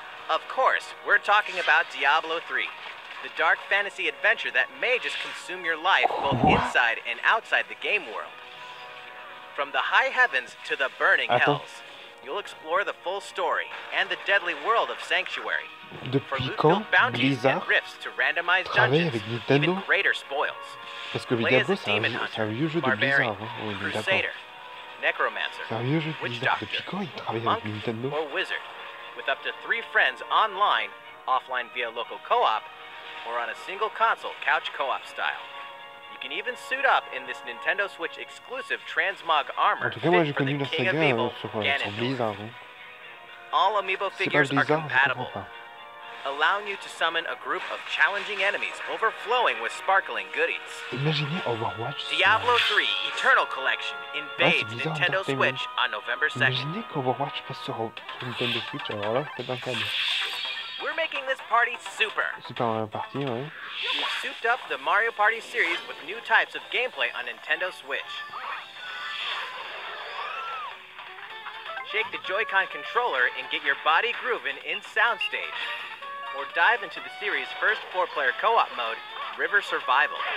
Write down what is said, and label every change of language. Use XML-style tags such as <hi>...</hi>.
<en>Of course, we're talking about Diablo 3, the dark fantasy adventure that may just consume your life both inside and outside the game world. From the high heavens to the burning hells, you'll explore the full story and the deadly world of Sanctuary.</en> <fr>Depuis quand Blizzard travaille avec Nintendo? Parce que Diablo, c'est un vieux jeu de Blizzard, hein? Oui, mais d'accord. C'est un vieux jeu de Blizzard. Depuis quand ils travaillent avec Nintendo?</fr> <en>Or Wizard, with up to three friends online, offline via local co-op, or on a single console, couch co-op style. You can even suit up in this Nintendo Switch exclusive transmog armor.</en> <fr>En tout cas, moi, j'ai connu la saga sur Blizzard.</fr> <en>All amiibo figures are compatible. allowing you to summon a group of challenging enemies overflowing with sparkling goodies. Imagine Overwatch. Diablo 3 Eternal Collection invades Nintendo Switch on November 2nd.</en> <fr>Imagine Overwatch sur Nintendo Switch, alors là, c'est pas le cas.</fr> <en>We're making this party super.</en> <fr>Super Mario Party, ouais.</fr> <en>We souped up the Mario Party series with new types of gameplay on Nintendo Switch. Shake the Joy-Con controller and get your body grooving in Soundstage. Or dive into the series' first four-player co-op mode, River Survival.</en>